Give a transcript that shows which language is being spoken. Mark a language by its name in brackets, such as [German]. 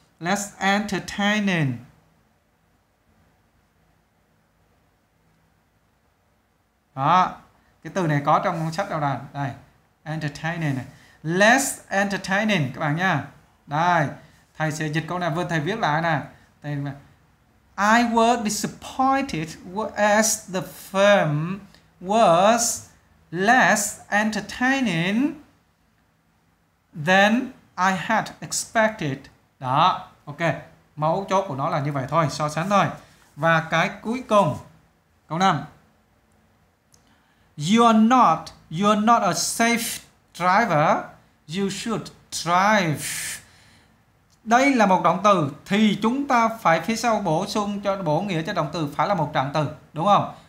[English] Less entertaining. [Vietnamese] Đó. Cái từ này có trong sách đâu đàn. Đây. Entertaining này. [English] Less entertaining [Vietnamese] các bạn nha. Đây. Thầy sẽ dịch câu này. Vừa thầy viết lại nè. Thầy... [English] I was disappointed as the film was less entertaining than I had expected. [Vietnamese] Đó, ok. Mẫu chốt của nó là như vậy thôi, so sánh thôi. Và cái cuối cùng, câu 5. [English] You are not a safe driver. You should drive. [Vietnamese] Đây là một động từ thì chúng ta phải phía sau bổ sung cho bổ nghĩa cho động từ phải là một trạng từ, đúng không?